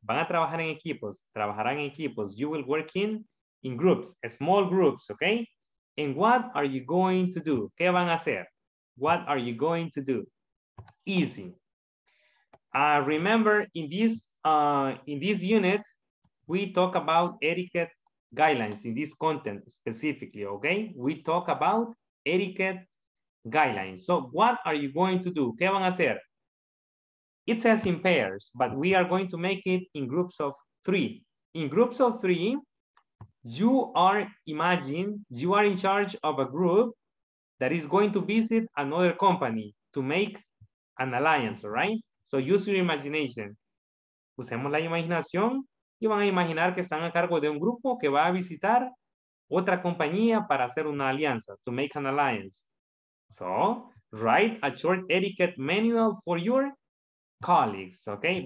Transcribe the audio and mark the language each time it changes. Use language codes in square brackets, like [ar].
[es] Van a trabajar en equipos, trabajarán en equipos. [en] You will work in groups, small groups, okay? And what are you going to do? [es] ¿Qué van a hacer? [en] What are you going to do? Easy. Remember, in this unit, we talk about etiquette guidelines in this content specifically, okay? We talk about etiquette guidelines. So what are you going to do? [es] ¿Qué van a hacer? [en] It says in pairs, but we are going to make it in groups of three. In groups of three, you are, imagine, you are in charge of a group that is going to visit another company to make an alliance, right? So use your imagination. [es] Usemos la imaginación y van a imaginar que están a cargo de un grupo que va a visitar otra compañía para hacer una alianza, [en] to make an alliance. So write a short etiquette manual for your colleagues, okay?